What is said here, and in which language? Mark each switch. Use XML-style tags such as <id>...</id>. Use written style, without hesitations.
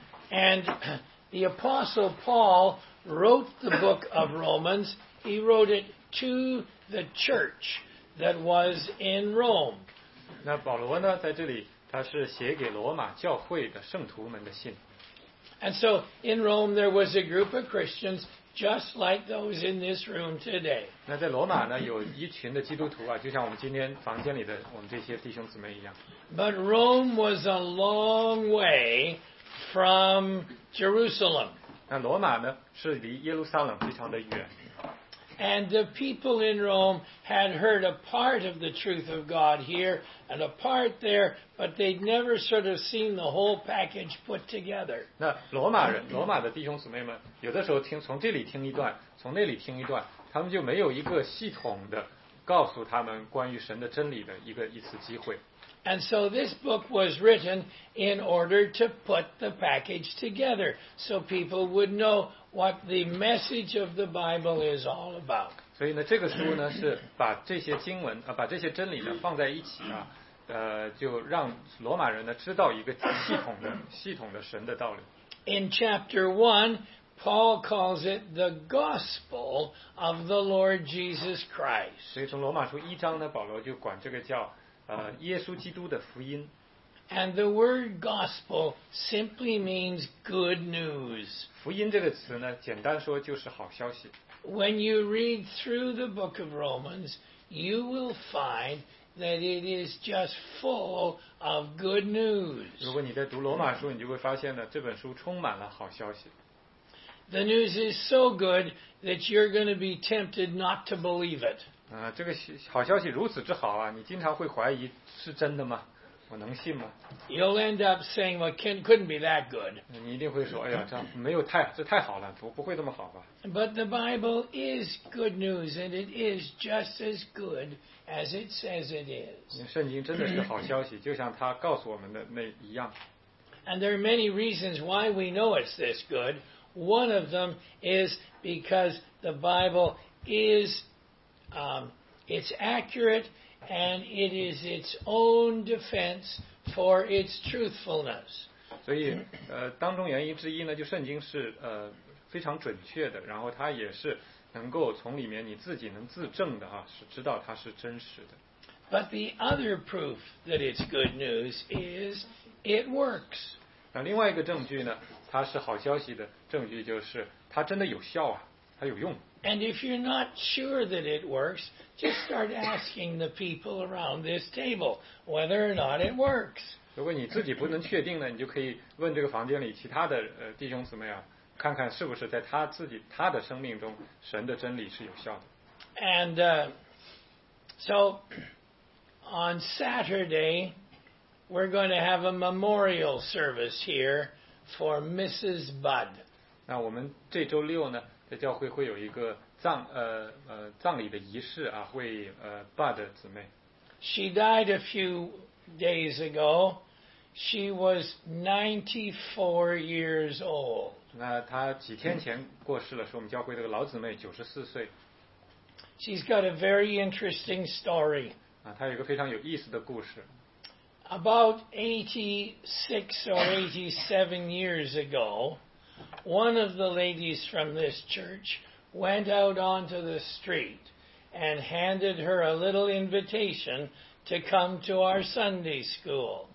<en>And the Apostle Paul wrote the book of Romans. He wrote it to the church that was in Rome.</en> <zh>那保罗呢，在这里他是写给罗马教会的圣徒们的信。</zh> <en>And so in Rome there was a group of Christians just like those in this room today.</en> <zh>那在罗马呢，有一群的基督徒啊，就像我们今天房间里的我们这些弟兄姊妹一样。</zh> <en>But Rome was a long way from Jerusalem.</en> <zh>那罗马呢，是离耶路撒冷非常的远。</zh> <en>And the people in Rome had heard a part of the truth of God here and a part there, but they'd never sort of seen the whole package put together.</en> <zh>那罗马的弟兄姊妹们，有的时候听从这里听一段，从那里听一段，他们就没有一个系统的告诉他们关于神的真理的一次机会。</zh> <en>And so this book was written in order to put the package together so people would know what the message of the Bible is all about.</en> <zh>所以呢，这个书呢是把这些经文啊，把这些真理呢放在一起啊，就让罗马人呢知道一个系统的神的道理。</zh> <en>In chapter 1, Paul calls it the gospel of the Lord Jesus Christ.</en> <zh>所以从罗马书一章呢，保罗就管这个叫耶稣基督的福音。</zh> <en>And the word gospel simply means good news.</en> <zh>福音这个词呢，简单说就是好消息。</zh> <en>When you read through the book of Romans, you will find that it is just full of good news.</en> <zh>如果你在读罗马书，你就会发现呢，这本书充满了好消息。</zh> <en>The news is so good that you're going to be tempted not to believe it.</en> <zh>这个好消息如此之好啊，你经常会怀疑是真的吗？我能信吗？</zh> <en>You'll end up saying, well, couldn't be that good.</en> <zh>你一定会说，哎呀，这没有太，这太好了，不会这么好吧。</zh> <en>But the Bible is good news, and it is just as good as it says it is.</en> <zh>圣经真的是好消息，就像它告诉我们的那一样。</zh> <en>And there are many reasons why we know it's this good. One of them is because the Bible is, it's accurate,And it is its own defense for its truthfulness.</en> <zh>所以，当中原因之一呢，就圣经是非常准确的，然后它也是能够从里面你自己能自证的哈，是知道它是真实的。</zh> <en>But the other proof that it's good news is it works.</en> <zh>那另外一个证据呢，它是好消息的证据，就是它真的有效啊，它有用。</zh> <en>And if you're not sure that it works, just start asking the people around this table whether or not it works.</en> <zh>如果你自己不能确定呢，你就可以问这个房间里其他的弟兄姊妹啊，看看是不是在他自己他的生命中神的真理是有效的。</zh> <en>And so on Saturday we're going to have a memorial service here for Mrs. Budd.</en> <zh>那我们这周六呢，在教会会有一个葬礼的仪式啊，为Budd 姊妹。</zh> <en>She died a few days ago. She was 94 years old.</en> <zh>那她几天前过世了，是我们教会的老姊妹，94岁。</zh> <en>She's got a very interesting story.</en> <zh>啊，她有一个非常有意思的故事。</zh> <en>About 86 or 87 years ago, one of the ladies from this church went out onto the street and handed her a little invitation to come to our Sunday school.</en>